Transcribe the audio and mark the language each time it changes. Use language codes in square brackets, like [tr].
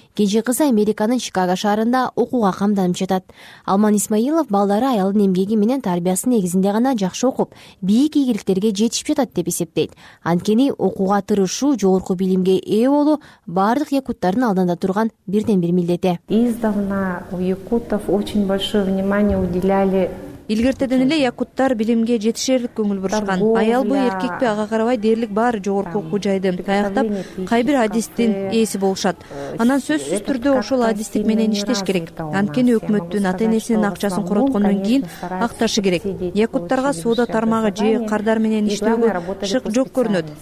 [ky] Кенже кызы Американын Чикаго шаарында окууга камданып жатат. Алман Исмаилов балдары аялдын эмгеги менен тарбиясы негизинде гана жакшы окуп, бийик ийгиликтерге жетишип жатат деп эсептейт. Анткени окууга тырышуу, жогорку билимге ээ болуу бардык якуттардын алдында турган бирден бир милдети. [ru] У якутов очень большое внимание уделяли [ky] Илгертеден эле якуттар билимге жетишерлик көңүл бурушкан. Аял бу эркекпи, ага карабай дээрлик баар жогорку окуу жайды аяктап, кай бир адистин ээси болушат. Анан сөзсүз түрдө ошол адистик менен иштеш керек. Анткени өкмөттүн ата энесинин акчасын короткондон кийин акташы керек. Якуттарга соода тармагы же кардар менен иштөөгө шык жок көрүнөт.